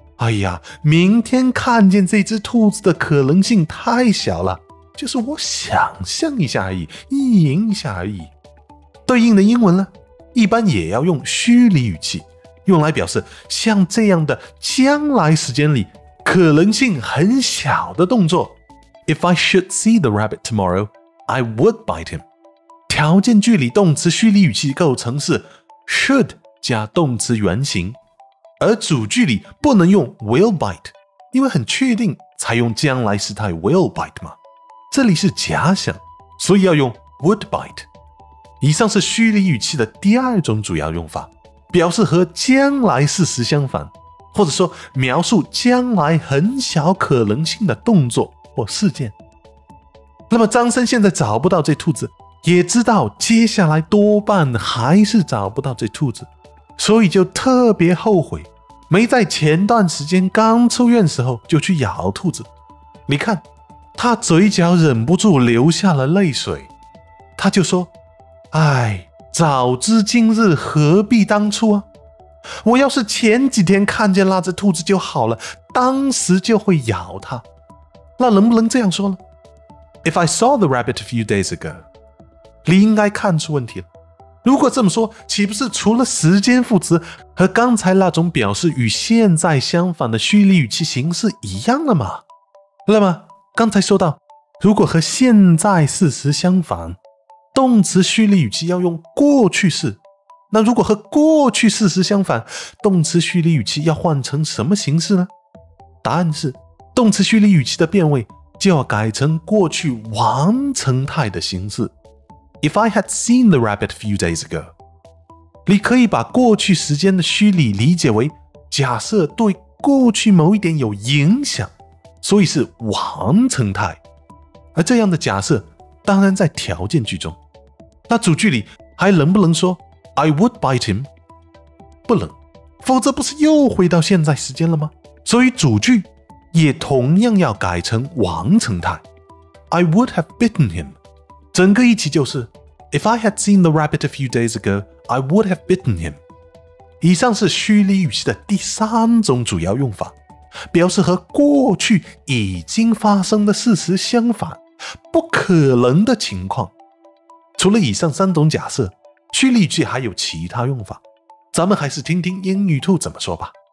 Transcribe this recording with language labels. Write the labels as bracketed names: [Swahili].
[Chinese] 哎呀，明天看见这只兔子的可能性太小了，就是我想象一下而已，意淫一下而已。对应的英文呢，一般也要用虚拟语气，用来表示像这样的将来时间里可能性很小的动作。 [English] If I should see the rabbit tomorrow, I would bite him. [Chinese] 条件句里动词虚拟语气构成是 should 加动词原形，而主句里不能用 will bite, 因为很确定才用将来时态 will bite 嘛。这里是假想，所以要用 would bite。以上是虚拟语气的第二种主要用法，表示和将来事实相反，或者说描述将来很小可能性的动作或事件。那么张森现在找不到这兔子，也知道接下来多半还是找不到这兔子，所以就特别后悔没在前段时间刚出院时候就去咬兔子。你看他嘴角忍不住流下了泪水，他就说，哎，早知今日何必当初啊，我要是前几天看见那只兔子就好了，当时就会咬它。那能不能这样说呢？ [English] If I saw the rabbit a few days ago, [Chinese] 你应该看出问题了。如果这么说，岂不是除了时间副词和刚才那种表示与现在相反的虚拟语气形式一样了吗？那么刚才说到，如果和现在事实相反，动词虚拟语气要用过去式，那如果和过去事实相反，动词虚拟语气要换成什么形式呢？答案是动词虚拟语气的变位就要改成过去完成态的形式。 [English] If I had seen the rabbit a few days ago, [Chinese] 你可以把过去时间的虚拟理解为假设对过去某一点有影响，所以是完成态。而这样的假设当然在条件句中。那主句里还能不能说 [English] I would bite him? [Chinese] 不能，否则不是又回到现在时间了吗？所以主句也同样要改成完成态。 [English] I would have bitten him. [Chinese] 整个一起就是 [English] If I had seen the rabbit a few days ago, I would have bitten him. [Chinese] 以上是虚拟语气的第三种主要用法，表示和过去已经发生的事实相反，不可能的情况。除了以上三种假设，虚拟语气还有其他用法，咱们还是听听英语兔怎么说吧。